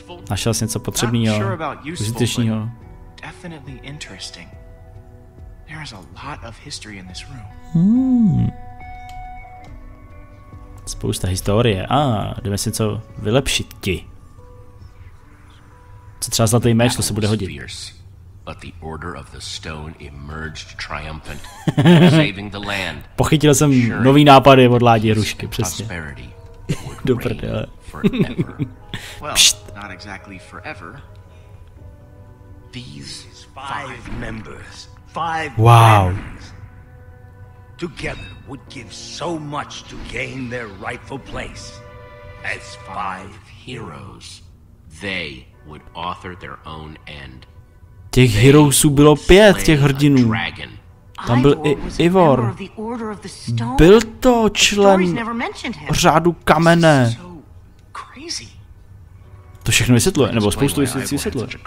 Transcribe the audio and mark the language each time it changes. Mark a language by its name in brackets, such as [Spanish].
[Czech] Našel jsi něco potřebného, užitečného? [English] Definitely interesting. There is a lot of history in this room. [Czech] Spousta historie. Jdeme si něco vylepšit ti. Co třeba zlatý meč, to se bude hodit. [English] But the order of the stone emerged triumphant, saving the land. [Czech] Pochytil jsem nový nápady od Ládi Hrušky, přesně. Do prdele. [English] Well, not exactly forever. These five members, five friends, together would give so much to gain their rightful place as five heroes. They would author their own end. [Czech] Těch heroesů bylo pět, těch hrdinů. Tam byl i Ivor. Byl to člen řádu kamene. To všechno vysvětluje, nebo spoustu věcí vysvětluje.